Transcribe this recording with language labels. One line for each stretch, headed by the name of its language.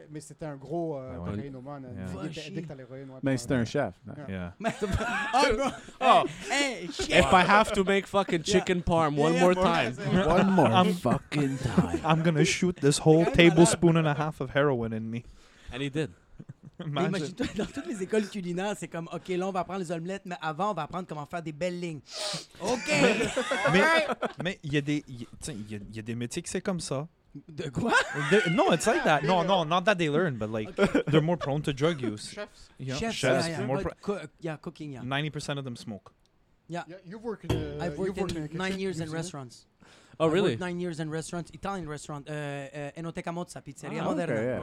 French: Mais c'était un gros cocaïnoman. Mais c'était un chef.
English: Yeah. Oh, bro. Oh. Hey, chef. If I have to make fucking chicken parm one more time. One more fucking time. I'm going to shoot this whole tablespoon and a half of heroin in me. And he did. Imagine.
French: Dans toutes les écoles culinaires, c'est comme, OK, là, on va apprendre les omelettes, mais avant, on va apprendre comment faire des belles lignes. OK! Mais il y a des métiers que c'est comme ça. De quoi?
English: No, it's like that. No, not that they learn, but like, they're more prone to drug use. Chefs. You know? Chefs. Cooking, 90% of them smoke. Yeah. You've worked in a I've worked in 9 years in restaurants. Oh, really? I worked 9 years in restaurants, Italian restaurant, Enoteca Mozza, Pizzeria Moderna.